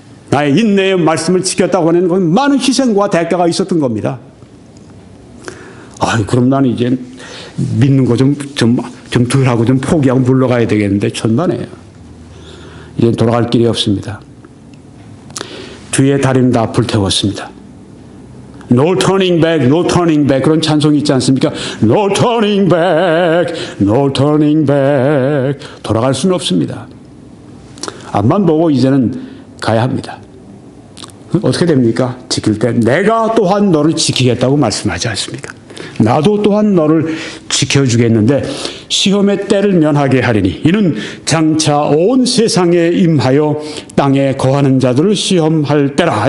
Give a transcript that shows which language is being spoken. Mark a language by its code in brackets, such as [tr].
[ko] 나의 인내의 말씀을 지켰다고 하는 건 많은 희생과 대가가 있었던 겁니다. 아, 그럼 나는 이제 믿는 거 좀 들하고 좀 포기하고 물러가야 되겠는데, 천만에요. 이제 돌아갈 길이 없습니다. 뒤에 다리는 다 불태웠습니다. [en] No turning back, no turning back. [ko] 그런 찬송이 있지 않습니까? [en] No turning back, no turning back. [ko] 돌아갈 수는 없습니다. 앞만 보고 이제는 가야 합니다. 어떻게 됩니까? 지킬 때 내가 또한 너를 지키겠다고 말씀하지 않습니까? 나도 또한 너를 지켜주겠는데 시험의 때를 면하게 하리니 이는 장차 온 세상에 임하여 땅에 거하는 자들을 시험할 때라.